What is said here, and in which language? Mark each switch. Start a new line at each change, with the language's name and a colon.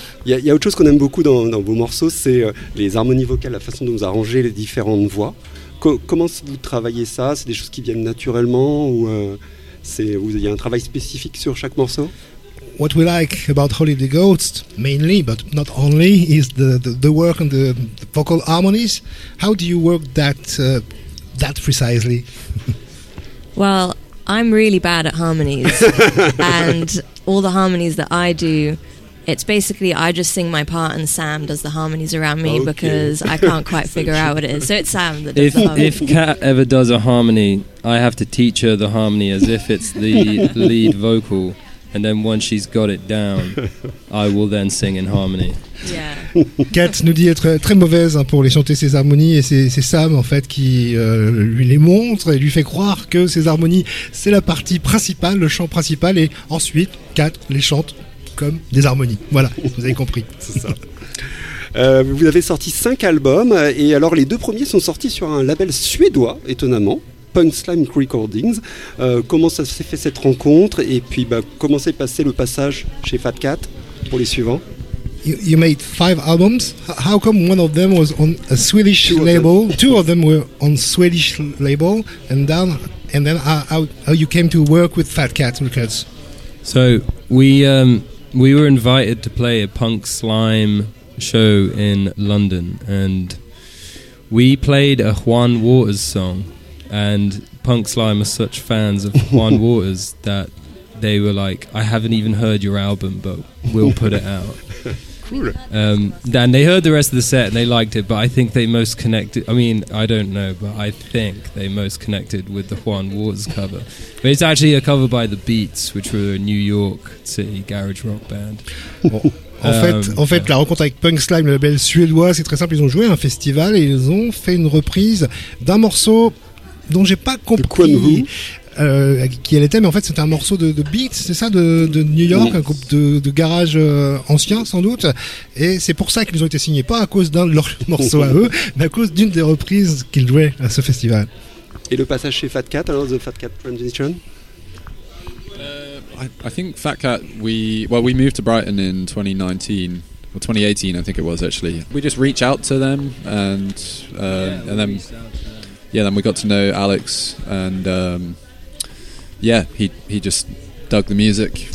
French: Il y a autre chose qu'on aime beaucoup dans vos morceaux, c'est les harmonies vocales, la façon dont vous arrangez les différentes voix. Comment vous travaillez ça? C'est des choses qui viennent naturellement ou c'est vous avez un travail spécifique sur chaque morceau?
English: What we like about Holy the Ghost mainly, but not only, is the work on the vocal harmonies. How do you work that precisely? Well, I'm really bad at harmonies, and all the harmonies that I do, it's basically I just sing my part and Sam does the harmonies around me. Okay. Because I can't quite figure out what it is. So it's Sam that does the harmony. If Kat ever does a harmony, I have to teach her the harmony as if it's the lead vocal. And then once she's got it down, I will then sing in harmony. Yeah.
French: Kat nous dit être très mauvaise pour les chanter ses harmonies. Et c'est Sam en fait qui lui les montre et lui fait croire que ses harmonies, c'est la partie principale, le chant principal. Et ensuite, Kat les chante comme des harmonies. Voilà, vous avez compris. C'est ça. Vous avez sorti 5 albums, et alors les deux premiers sont sortis sur un label suédois, étonnamment, Punk Slime Recordings. Comment ça s'est fait cette rencontre, et puis comment s'est passé le passage chez Fat Cat pour les suivants?
English: You made 5 albums. How come one of them was on a Swedish label? Two of them were on Swedish label, and then how you came to work with Fat Cat Records? So, we were invited to play a punk slime show in London, and we played a Juan Waters song, and Punk Slime are such fans of Juan Waters that they were like, I haven't even heard your album, but we'll put it out. Cool. Then they heard the rest of the set and they liked it, but I think they most connected, I mean, I don't know, but I think they most connected with the Juan Waters cover. But it's actually a cover by The Beats, which were a New York City garage rock band.
French: En fait, la rencontre avec Punk Slime, le label suédois, c'est très simple. Ils ont joué à un festival et ils ont fait une reprise d'un morceau dont j'ai pas compris qui elle était, mais en fait, c'était un morceau de Beats, c'est ça, de New York, un groupe de garage ancien, sans doute. Et c'est pour ça qu'ils ont été signés, pas à cause d'un de leurs morceaux à eux, mais à cause d'une des reprises qu'ils jouaient à ce festival. Et le passage chez Fat Cat, alors,
English: the Fat Cat transition? I think Fat Cat, we moved to Brighton in 2019, or 2018, I think it was, actually. We just reached out to them, and then we got to know Alex, and he just dug the music.